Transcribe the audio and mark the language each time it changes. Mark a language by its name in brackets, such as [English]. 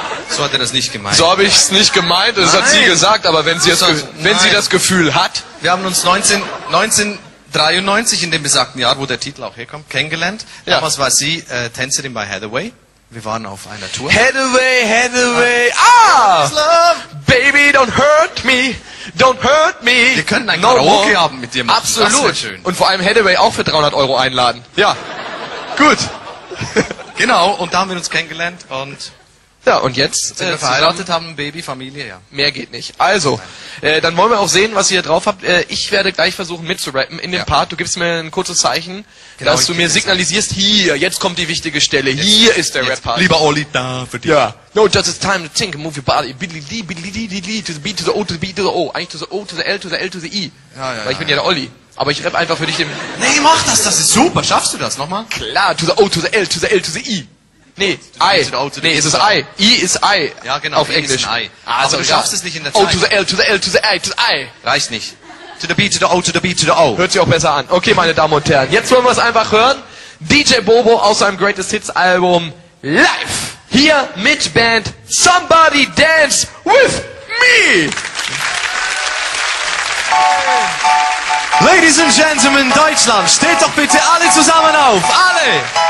[German] So hat er das nicht gemeint. So habe ich es nicht gemeint, das hat sie gesagt, aber wenn sie, sie das Gefühl hat. Wir haben uns 1993 in dem besagten Jahr, wo der Titel auch herkommt, kennengelernt. Ja. Damals war sie Tänzerin bei Hathaway. Wir waren auf einer Tour. Hathaway, Hathaway, ah! [English] Baby, don't hurt me, don't hurt me. [German] Wir können ein Karaoke haben mit dir machen. Absolut. Das wär schön. Und vor allem Hathaway auch für 300 Euro einladen. Ja, gut. Genau, und da haben wir uns kennengelernt und... Ja, und jetzt... Sind wir verheiratet, haben Baby, Familie, ja. Mehr geht nicht. Also, dann wollen wir auch sehen, was ihr hier drauf habt. Ich werde gleich versuchen mitzurappen in dem Part. Du gibst mir ein kurzes Zeichen, genau, dass du mir signalisierst, hier, jetzt kommt die wichtige Stelle. Jetzt, hier ist der Rap-Part. Lieber Olli, da für dich. Ja. [English] No, just it's time to think and move your body. Billy, li, billy, li, li, li, to the B, to the O, to the B, to the O. [German] Eigentlich [English] to the O, to the L, to the L, to the I. [German] Ja, ja, weil ich bin ja der Olli. Aber ich rap einfach für dich im... Nee, mach das, das ist super. Schaffst du das nochmal? Klar, [English] to the O, to the L, to the L, to the I. [German] Nee, I. Nee, es ist I. I ist I. Ja, genau. Auf Englisch. [English] I. [German] Also du schaffst es nicht in der Zeit. [English] O to the L, to the L, to the I, to the I. [German] Reicht nicht. [English] To the B, to the O, to the B, to the O. [German] Hört sich auch besser an. Okay, meine Damen und Herren. Jetzt wollen wir es einfach hören. DJ Bobo aus seinem Greatest Hits Album live. Hier mit Band Somebody Dance With Me. [English] Ladies and Gentlemen, [German] Deutschland, steht doch bitte alle zusammen auf. Alle.